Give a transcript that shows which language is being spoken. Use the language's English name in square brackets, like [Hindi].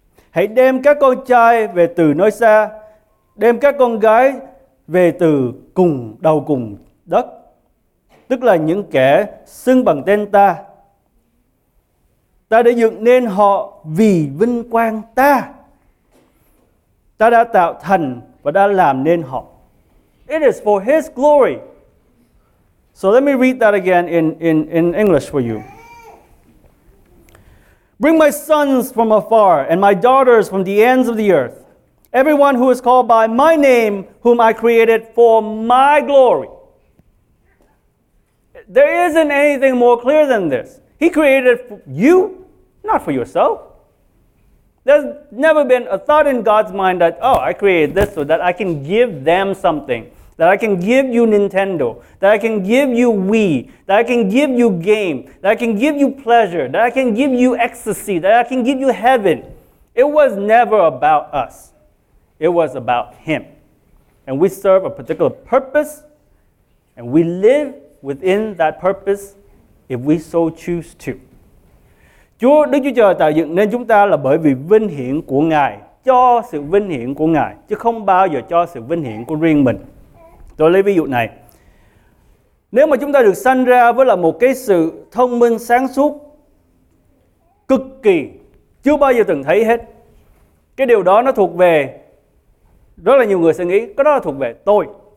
[Vietnamese] hãy đem các con trai về từ nơi xa, đem các con gái về từ cùng đầu cùng đất, tức là những kẻ xưng bằng tên ta. Ta đã dựng nên họ vì vinh quang ta. Ta đã tạo thành và đã làm nên họ. [English] It is for his glory. So let me read that again in English for you. Bring my sons from afar and my daughters from the ends of the earth. Everyone who is called by my name, whom I created for my glory. There isn't anything more clear than this. He created you, not for yourself. There's never been a thought in God's mind that, oh, I created this so that I can give them something. That I can give you Nintendo. That I can give you Wii. That I can give you game. That I can give you pleasure. That I can give you ecstasy. That I can give you heaven. It was never about us. It was about him. And we serve a particular purpose, and we live within that purpose if we so choose to. [Vietnamese] Chúa, Đức Chúa Trời tạo dựng nên chúng ta là bởi vì vinh hiển của Ngài, cho sự vinh hiển của Ngài, chứ không bao giờ cho sự vinh hiển của riêng mình. Tôi lấy ví dụ này. Nếu mà chúng ta được sanh ra với là một cái sự thông minh sáng suốt cực kỳ, chưa bao giờ từng thấy hết, cái điều đó nó thuộc về, rất là nhiều người sẽ nghĩ, cái đó là thuộc về tôi.